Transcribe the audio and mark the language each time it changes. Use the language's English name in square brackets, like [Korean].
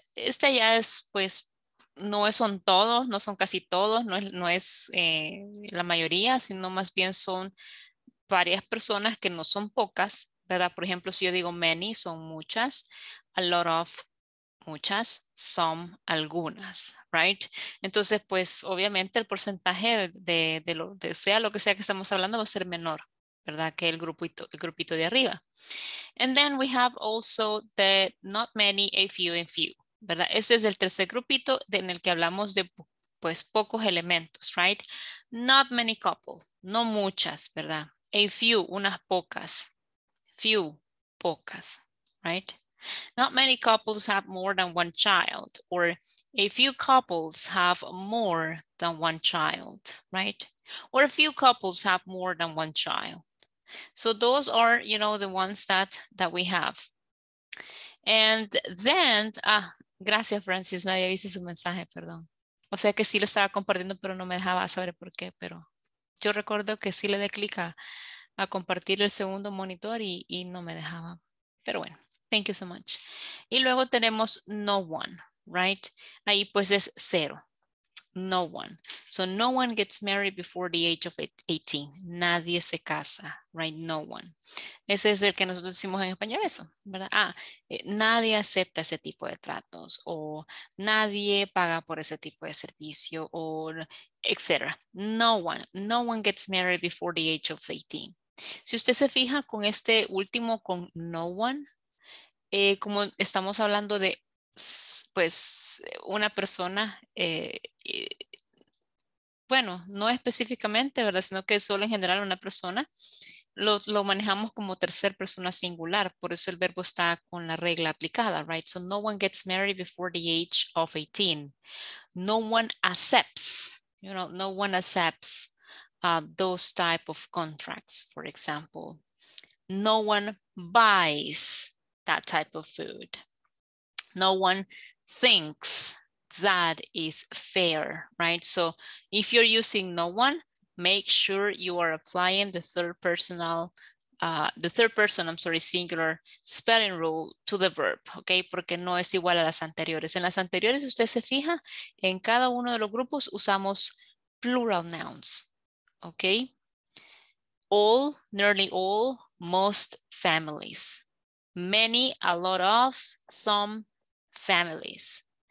[Spanish] Esta ya es, pues, no son todos, no son casi todos, no es la mayoría, sino más bien son varias personas que no son pocas, ¿verdad? Por ejemplo, si yo digo many, son muchas, a lot of, muchas, some, algunas, right? Entonces, pues, obviamente el porcentaje de lo que sea que estamos hablando va a ser menor, ¿verdad? Que el grupito de arriba. [English] And then we have also the not many, a few, and few, ¿verdad? [Spanish] Ese es el tercer grupito en el que hablamos de, pues, pocos elementos, right? [English] Not many couples, [Spanish] no muchas, ¿verdad? [English] A few, [Spanish] unas pocas. Few, pocas, right? [English] Not many couples have more than one child, or a few couples have more than one child, right? Or a few couples have more than one child. So those are, you know, the ones that we have. And then, [Spanish] gracias Francis, no había visto su mensaje, perdón. O sea que sí lo estaba compartiendo, pero no me dejaba saber por qué, pero yo recuerdo que sí le di clic a compartir el segundo monitor y no me dejaba, pero bueno. [English] Thank you so much. [Spanish] Y luego tenemos [English] no one, right? [Spanish] Ahí pues es cero. No one. [English] So no one gets married before the age of 18. [Spanish] Nadie se casa, right? No one. Ese es el que nosotros decimos en español eso, ¿verdad? Nadie acepta ese tipo de tratos o nadie paga por ese tipo de servicio o etc. [English] No one. No one gets married before the age of 18. [Spanish] Si usted se fija con este último, con no one, como estamos hablando de, pues, una persona, bueno, no específicamente, ¿verdad? Sino que solo en general una persona, lo manejamos como tercer persona singular. Por eso el verbo está con la regla aplicada, right? [English] So no one gets married before the age of 18. No one accepts, you know, no one accepts those type of contracts, for example. No one buys that type of food. No one thinks that is fair, right? So if you're using no one, make sure you are applying the third person singular spelling rule to the verb, okay? [Spanish] Porque no es igual a las anteriores. En las anteriores, si usted se fija, en cada uno de los grupos usamos plural nouns, okay? [English] All, nearly all, most families. Many, a lot of, some, families.